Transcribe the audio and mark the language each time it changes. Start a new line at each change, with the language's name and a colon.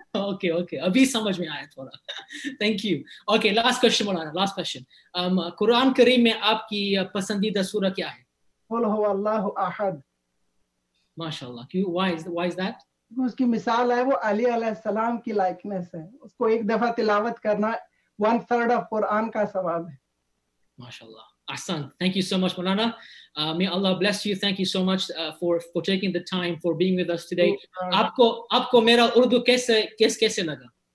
Urdu: Okay okay ابھی سمجھ میں آیا تھوڑا
English: thank you okay last question
Urdu: Maulana
English: last question
Urdu: قرآن کریم میں آپ کی پسندیدہ سورہ کیا ہے
Arabic: قل ھو اللہ احد
Urdu: ماشاء اللہ کیوں
English: why is that
Urdu: اس کی مثال ہے وہ علی علیہ السلام کی لائکنیس ہے اس کو ایک دفعہ تلاوت کرنا
English: one third of
Urdu: قرآن کا ثواب ہے
English: ماشاء اللہ Ahsan, thank you so much, Mulana. May Allah bless you. Thank you so much for taking the time for being with us today.
Urdu: آپکو میرا اردو کیسے لگا؟